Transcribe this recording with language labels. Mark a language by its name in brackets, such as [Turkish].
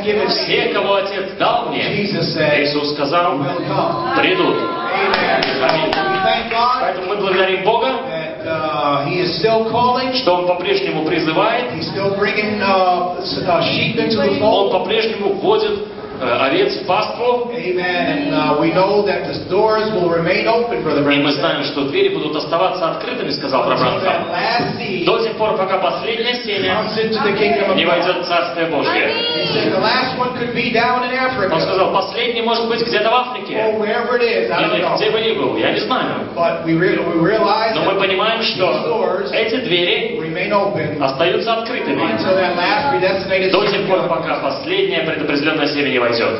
[Russian] Все, кого Отец дал мне, Иисус сказал, придут. Аминь. Поэтому мы благодарим Бога, [English] He is still calling. [Russian] Что он по-прежнему призывает. [English] He's still bringing sheep into the fold. [Russian] Он по-прежнему вводит овец в паству. [English] Amen. And we know that the doors will remain open for the. [Russian] И мы знаем, что двери будут оставаться открытыми, сказал Пробранхам. До тех пор, пока последнее семя не войдет в Царствие Божие. Он сказал, последний может быть где-то в Африке. Или где бы ни был, я не знаю. Но мы понимаем, что эти двери остаются открытыми до тех пор, пока последнее предопределенное семя не войдет.